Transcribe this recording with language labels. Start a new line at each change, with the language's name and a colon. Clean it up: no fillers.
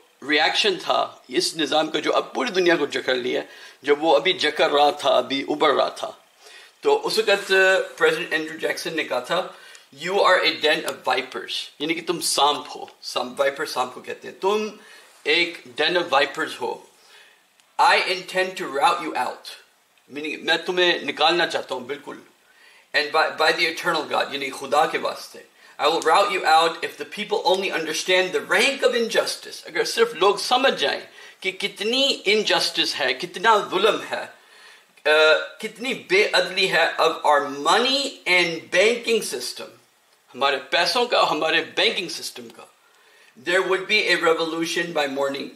Urdu: Reaction تھا اس نظام کا جو اب پوری دنیا کو جکڑ لیا جب وہ ابھی جکڑ رہا تھا ابھی ابھر رہا تھا تو اس وقت پریزیڈنٹ اینڈرو جیکسن نے کہا تھا
English: you are a den of vipers
Urdu: یعنی کہ تم سانپ ہو وائپر سانپ کو کہتے ہیں تم ایک ڈین of vipers ہو
English: I intend to rout you out. Meaning,
Urdu: میں تمہیں نکالنا چاہتا ہوں بالکل
English: And by the eternal God,
Urdu: یعنی خدا کے واسطے
English: I will rout you out if the people only understand the rank of injustice.
Urdu: اگر صرف لوگ سمجھ جائیں کہ کتنی injustice ہے کتنا ظلم ہے کتنی بے عدلی ہے
English: of our money and banking system
Urdu: ہمارے پیسوں کا ہمارے banking system کا
English: There would be a revolution by morning.